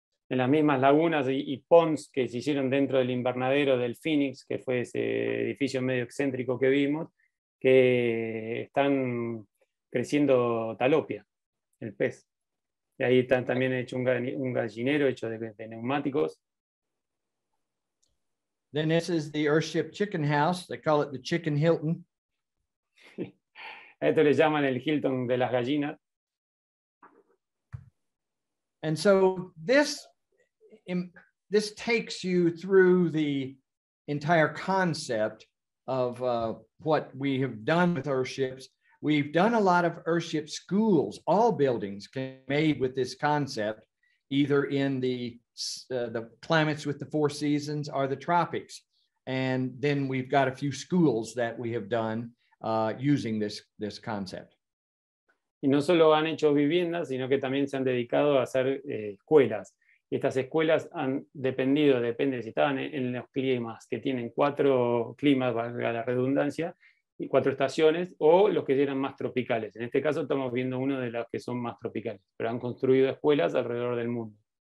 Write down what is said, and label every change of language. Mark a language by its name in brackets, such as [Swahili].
[Spanish] En las mismas lagunas y ponds que se hicieron dentro del invernadero del Phoenix, que fue ese edificio medio excéntrico que vimos, que están creciendo talopia, el pez. Y ahí está también hecho un gallinero hecho de neumáticos. [English] Then this is the Earthship chicken house. They call it the Chicken Hilton. [Spanish] A esto le llaman el Hilton de las gallinas. [English] And so this takes you through the entire concept of what we have done with Earthships. We've done a lot of Earthship schools. All buildings can be made with this concept, either in the climates with the four seasons or the tropics. And then we've got a few schools that we have done using this concept. [Spanish] Y no solo han hecho viviendas, sino que también se han dedicado a hacer escuelas. Y estas escuelas han depende si estaban en los climas, que tienen cuatro climas, valga la redundancia, y cuatro estaciones, o los que eran más tropicales. En este caso estamos viendo uno de los que son más tropicales, pero han construido escuelas alrededor del mundo.